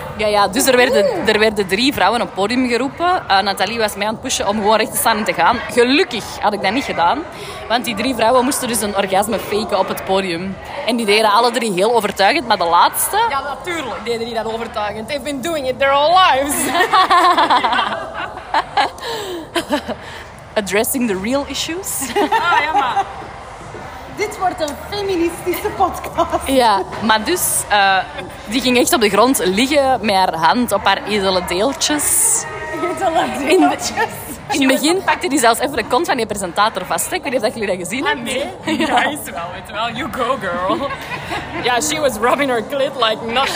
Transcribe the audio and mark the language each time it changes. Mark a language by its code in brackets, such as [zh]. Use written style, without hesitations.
[nl] Ja, ja, dus er werden drie vrouwen op het podium geroepen. Nathalie was mij aan het pushen om gewoon recht te staan en te gaan. Gelukkig had ik dat niet gedaan. Want die drie vrouwen moesten dus een orgasme faken op het podium. En die deden alle drie heel overtuigend, maar de laatste... Ja, natuurlijk deden die dat overtuigend. [en] They've been doing it their whole lives. Addressing the real issues. [nl] Ah, ja, maar... Dit wordt een feministische podcast. Ja, maar dus... die ging echt op de grond liggen met haar hand op haar edele deeltjes. Edele deeltjes? In het begin pakte die zelfs even de kont van je presentator vast. Ik weet niet of jullie dat gezien hebben. Ah, nee? Ja, is wel. [en] You go, girl. [nl] Ja, [en] yeah, she was rubbing her clit like not...